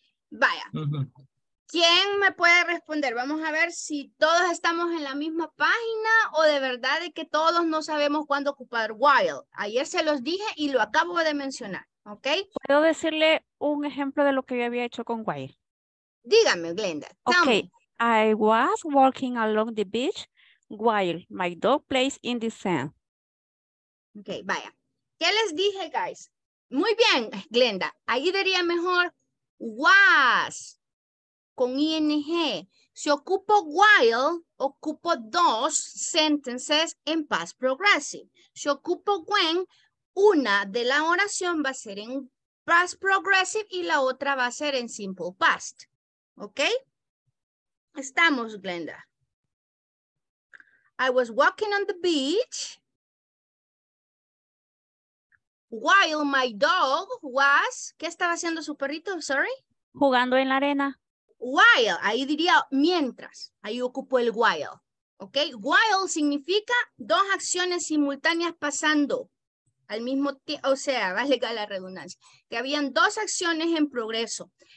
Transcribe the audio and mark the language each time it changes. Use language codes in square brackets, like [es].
[es] Vaya. ¿Quién me puede responder? Vamos a ver si todos estamos en la misma página o de verdad de que todos no sabemos cuándo ocupar while. Ayer se los dije y lo acabo de mencionar, ¿ok? ¿Puedo decirle un ejemplo de lo que yo había hecho con while? Dígame, Glenda. [en] I was walking along the beach while my dog plays in the sand. [es] Ok, vaya. ¿Qué les dije, guys? Muy bien, Glenda. Ahí diría mejor was con ing. Si ocupo while, ocupo dos sentences en past progressive. Si ocupo when, una de la oración va a ser en past progressive y la otra va a ser en simple past. ¿Ok? Estamos, Glenda. [en] I was walking on the beach while my dog was... [es] ¿Qué estaba haciendo su perrito? Sorry. Jugando en la arena. While, ahí diría mientras, ahí ocupo el while, ¿ok? While significa dos acciones simultáneas pasando al mismo tiempo, o sea, vale la redundancia, que habían dos acciones en progreso.